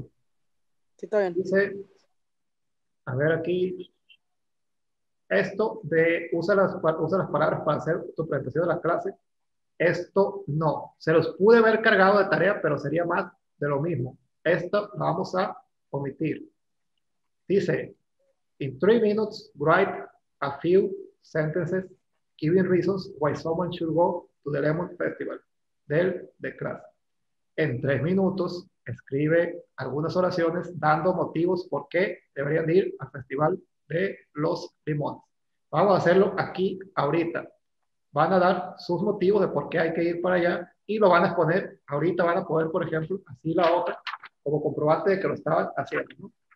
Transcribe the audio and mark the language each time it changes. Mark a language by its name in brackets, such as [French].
[Spanish] Sí, está bien. Dice, a ver aquí, esto de usa las palabras para hacer tu presentación de la clase. Esto no. Se los pude haber cargado de tarea, pero sería más de lo mismo. Esto lo vamos a omitir. [English] Dice, in 3 minutes, write a few sentences giving reasons why someone should go to the Lemon Festival [Spanish] del de clase. En 3 minutos, escribe algunas oraciones dando motivos por qué deberían ir al Festival de los Limones. Vamos a hacerlo aquí, ahorita. Van a dar sus motivos de por qué hay que ir para allá y lo van a exponer. Ahorita van a poder, por ejemplo, así la hoja, como comprobante de que lo estaban haciendo, ¿no?